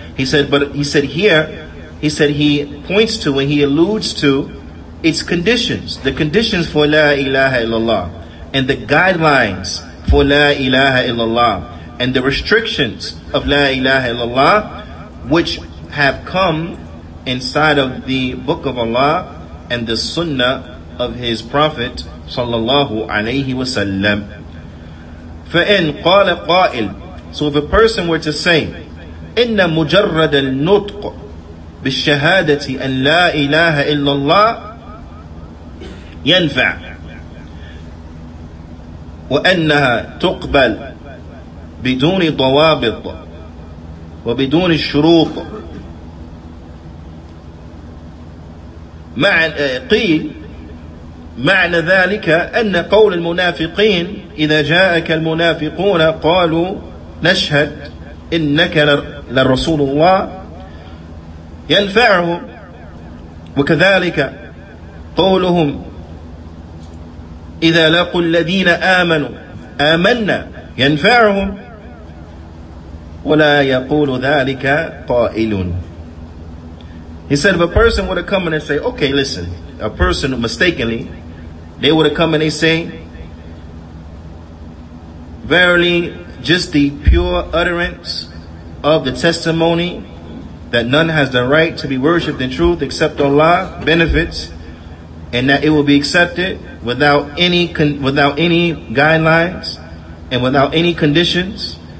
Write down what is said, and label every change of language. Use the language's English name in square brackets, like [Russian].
[English] He said, but he said here, he said he points to and he alludes to its conditions, the conditions for La ilaha illallah, and the guidelines for La ilaha illallah, and the restrictions of La ilaha illallah, which have come inside of the Book of Allah and the Sunnah of His Prophet sallallahu alayhi wa sallam. [Arabic] فَإِنْ قَالَ قَائِلٌ. [English] So if a person were to say, [Arabic] إِنَّ مُجَرَّدَ النُّطْقُ بِالشَّهَادَةِ أَنْ لَا إِلَهَ إِلَّا اللَّهِ يَنْفَعُ وَأَنَّهَا تُقْبَلْ بِدُونِ ضَوَابِطَ وَبِدُونِ الشُّرُوطَ مع قيل معنى ذلك أن قول المنافقين إذا جاءك المنافقون قالوا نشهد إنك لرسول الله ينفعهم وكذلك قولهم إذا لقوا الذين آمنوا آمنا ينفعهم ولا يقول ذلك قائل. [English] He said, if a person were to come in and say, okay, listen, a person mistakenly, they would have come and they say, verily, just the pure utterance of the testimony that none has the right to be worshipped in truth except Allah benefits, and that it will be accepted without any guidelines and without any conditions.